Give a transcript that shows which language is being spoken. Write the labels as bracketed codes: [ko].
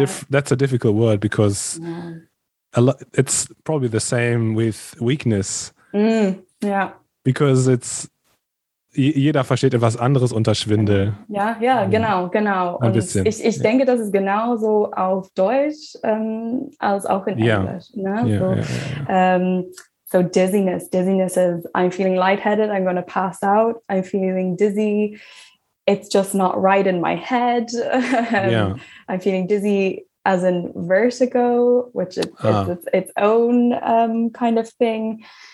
[en] That's a difficult word, because it's probably the same with weakness. Mm, yeah. Because it's, [de] jeder versteht etwas anderes unter Schwindel. Ja, genau. Ein bisschen. Und ich denke, das ist genauso auf Deutsch als auch in Englisch. [en] Yeah. [de] Ne? [en] Yeah. So dizziness is, I'm feeling lightheaded, I'm going to pass out, I'm feeling dizzy, it's just not right in my head. Yeah. I'm feeling dizzy as in vertigo, which is its own kind of thing.